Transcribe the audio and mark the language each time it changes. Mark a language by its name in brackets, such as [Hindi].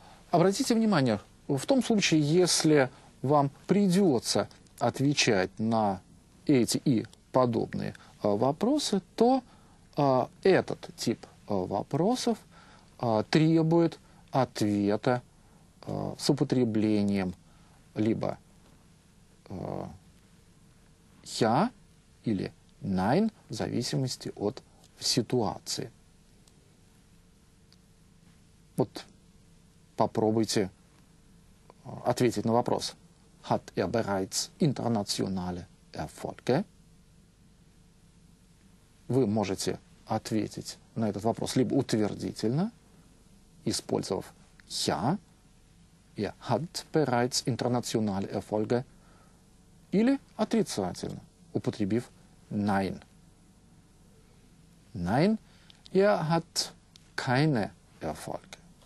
[Russian] Обратите внимание, в том случае, если вам придется отвечать на эти и подобные вопросы, то этот тип вопросов требует ответа с употреблением либо «я» или «nein» в зависимости от ситуации. Вот. Попробуйте ответить на вопрос. [German] Hat er bereits internationale Erfolge? [Russian] Вы можете ответить на этот вопрос либо утвердительно, использовав «я», [German] «er hat bereits internationale Erfolge», [Russian] или отрицательно, употребив «nein». [German] «Nein, er hat keine Erfolge».